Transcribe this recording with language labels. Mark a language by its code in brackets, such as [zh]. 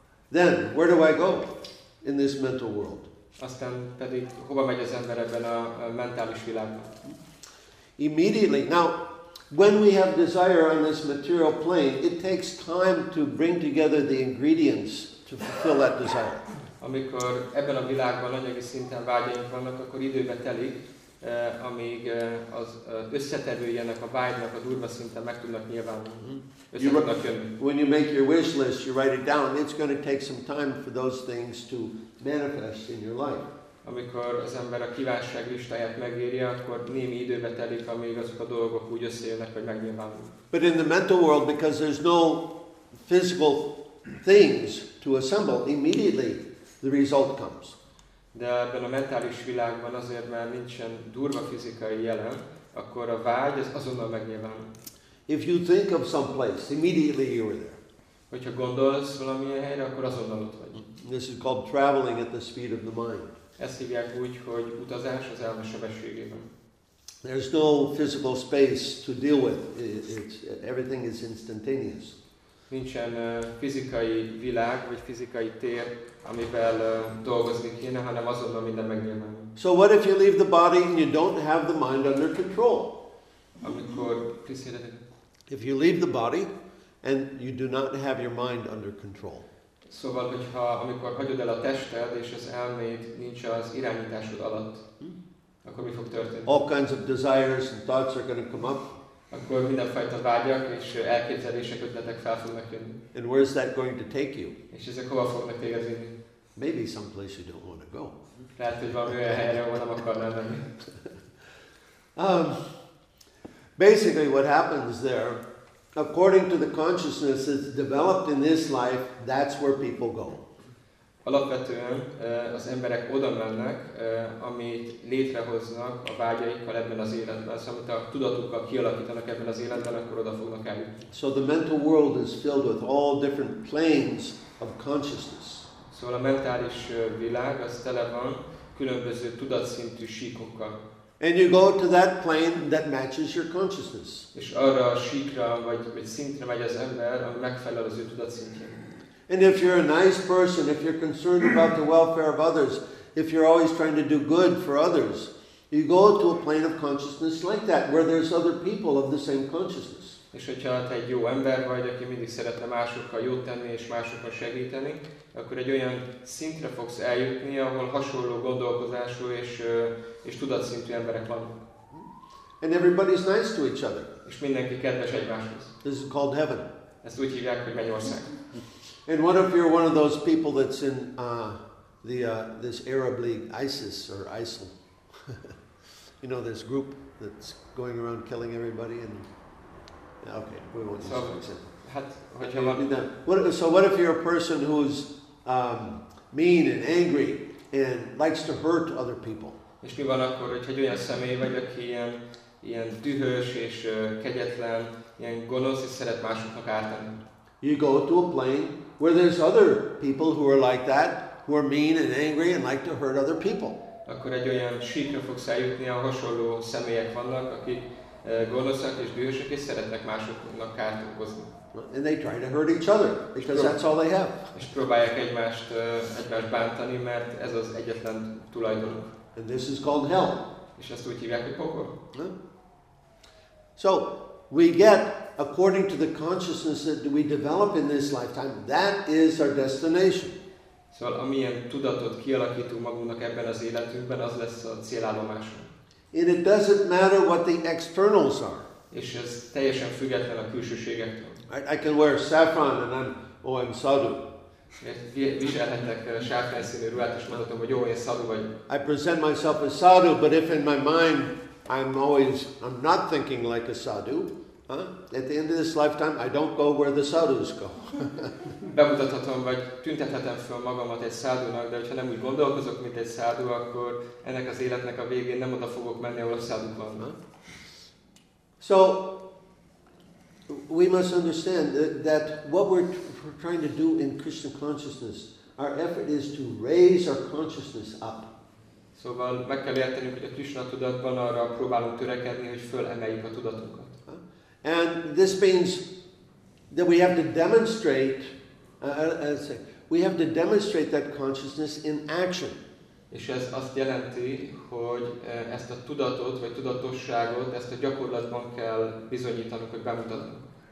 [en] Then where do I go in this mental world? [hu] Aztán pedig hova megy az ember ebben a mentális világban? [en] Immediately. Now, when we have desire on this material plane, it takes time to bring together the ingredients to fulfill that desire. [hu] Amikor ebben a világban anyagi szinten vágyaink vannak, akkor időbe telik, amíg az összetevői ennek a vágynak a durva szinten meg tudnak nyilvánulni. [en] When you make your wish list, you write it down. It's going to take some time for those things to manifest in your life. [hu] Amikor az ember a kívánság listáját megírja, akkor némi időbe telik, amíg azok a dolgok úgy összejönnek, hogy megnyilvánulnak. [en] But in the mental world, because there's no physical things to assemble, immediately the result comes. [hu] De ebben a mentális világban azért, mert nincsen durva fizikai jelen, akkor a vágy az azonnal megnyilvánul. [en] If you think of some place, immediately you are there. [hu] Hogyha gondolsz valamilyen helyre, akkor azonnal ott vagy. [en] This is called traveling at the speed of the mind. [hu] Ezt hívják úgy, hogy utazás az elme sebességében. [en] There's no physical space to deal with. It's everything is instantaneous. [hu] Nincsen fizikai világ vagy fizikai tér, amivel dolgozni kéne, hanem azonnal minden megnyilvánul. [en] So what if you leave the body and you don't have the mind under control? [hu] Amikor [en] if you leave the body and you do not have your mind under control. [hu] Szóval, hogyha amikor hagyod el a tested és az elméd nincs az irányításod alatt, akkor mi fog történni? [en] All kinds of desires and thoughts are going to come up. [hu] Akkor mindenfajta vágyak és elképzelések, ötletek fel fognak jönni. [en] And where is that going to take you? [hu] És ezek hova fognak téged vinni? [en] Maybe someplace you don't want to go. [hu] Lehet, hogy valami olyan helyre, ahol nem akarnál menni. [en] Basically, what happens there, according to the consciousness that's developed in this life, that's where people go. [hu] Alapvetően az emberek oda mennek, amit létrehoznak a vágyaikkal ebben az életben, szóval amit a tudatukkal kialakítanak ebben az életben, akkor oda fognak eljutni. [en] So the mental world is filled with all different planes of consciousness. [hu] Szóval a mentális világ az tele van különböző tudatszintű síkokkal. [en] And you go to that plane that matches your consciousness. [hu] És arra a síkra vagy szintre megy az ember, ami megfelel az ő tudatszintjén. [en] And if you're a nice person, if you're concerned about the welfare of others, if you're always trying to do good for others, you go to a plane of consciousness like that, where there's other people of the same consciousness. [hu] És hogyha te egy jó ember vagy, aki mindig szeretne másokkal jót tenni és másokkal segíteni, akkor egy olyan szintre fogsz eljutni, ahol hasonló gondolkozású és tudatszintű emberek vannak. [en] And everybody's nice to each other. [hu] És mindenki kedves egymáshoz. [en] This is called heaven. [hu] Ezt úgy hívják, hogy mennyország. [en] And what if you're one of those people that's in this Arab League, ISIS or ISIL? You know, this group that's going around killing everybody and... Okay, we won't use that example. So what if you're a person who's mean and angry and likes to hurt other people? [hu] És mi van akkor, hogyha egy olyan személy vagy, aki ilyen dühös és kegyetlen, ilyen gonosz és szeret másoknak ártani? [en] You go to a plane where there's other people who are like that, who are mean and angry and like to hurt other people. [hu] Akkor egy olyan síkra fogsz eljutni, ahol hasonló személyek vannak, akik gonoszak és dühösek és szeretnek másoknak kárt okozni. [en] And they try to hurt each other because that's all they have. [hu] És próbálják egymást bántani, mert ez az egyetlen tulajdonuk. [en] And this is called hell. [hu] És ezt úgy hívják, hogy pokol. [en] So we get, according to the consciousness that we develop in this lifetime, that is our destination. [hu] Szóval amilyen tudatot kialakítunk magunknak ebben az életünkben, az lesz a célállomásunk. [en] And it doesn't matter what the externals are. [hu] És ez teljesen független a külsőségektől. [en] I can wear saffron and I'm sadhu. [hu] Viselhetek sáfrán színű ruhát, és mondhatom, hogy jó, én sadhu vagyok. [en] I present myself as sadhu, but if in my mind I'm not thinking like a sadhu. At the end of this lifetime, I don't go where the sadhus go. [hu] Bemutathatom vagy tüntethetem föl magamat egy sádúnak, de ha nem úgy gondolkozok, mint egy sádú, akkor ennek az életnek a végén nem oda fogok menni, ahol a sádú van. [en] So we must understand that what we're trying to do in Christian consciousness, our effort is to raise our consciousness up. [hu] Szóval meg kell értenünk, hogy a Krishna tudatban arra próbálunk törekedni, hogy fölemeljük a tudatunkat. [en] And this means that we have to demonstrate, we have to demonstrate that consciousness in action. [hu] És ez azt jelenti, hogy ezt a tudatot vagy tudatosságot, ezt a gyakorlatban kell bizonyítanunk, hogy bemutatunk.